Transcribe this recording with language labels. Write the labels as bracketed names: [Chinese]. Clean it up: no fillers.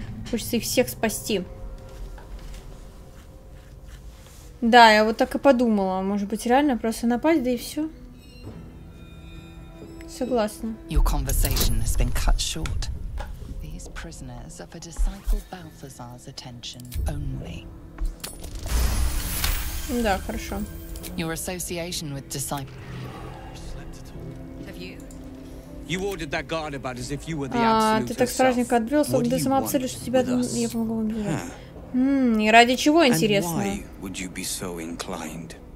[Russian] Хочется их всех спасти. Да, я вот так и подумала. Может быть, реально просто напасть, да и все. Согласна. [English] Your conversation has been cut short. These prisoners are for disciple Balthazar's attention only. [Russian] Да, хорошо. [English] Your association with disciple. You ordered that guard about as if you were the absolute. [Russian] Ты так сразу отбрелся, ты сама целишь, что тебя я помогу вам. И ради чего, интересно? [English] Why would you be so inclined?